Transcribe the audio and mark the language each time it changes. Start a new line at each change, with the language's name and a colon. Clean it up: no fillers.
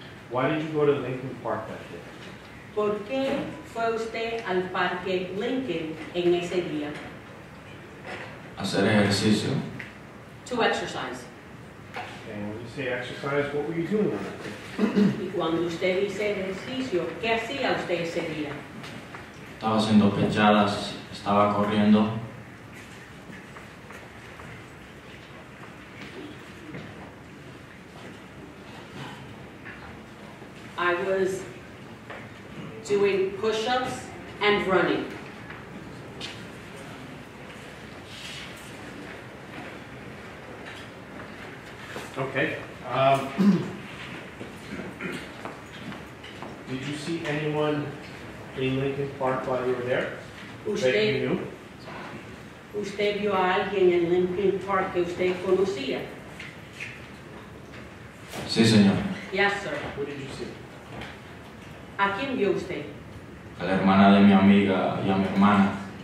English: Why did you go to Lincoln Park that day?
Spanish: ¿Por qué fue usted al parque Lincoln en ese día? Hacer ejercicio.
English: To exercise. And when you say exercise, what were you doing on that day?
Spanish: Y cuando usted dice ejercicio, ¿qué hacía usted ese día? Estaba haciendo pechadas, estaba corriendo.
English: I was doing push-ups and running. Okay. Did you see anyone in Lincoln Park while you were there?
Spanish: Usted vio a alguien en Lincoln Park que usted conocía? Sí, señor.
English: Yes, sir. Who did you see?
Spanish: ¿A quién vio usted? A la hermana de mi amiga y a mi hermana.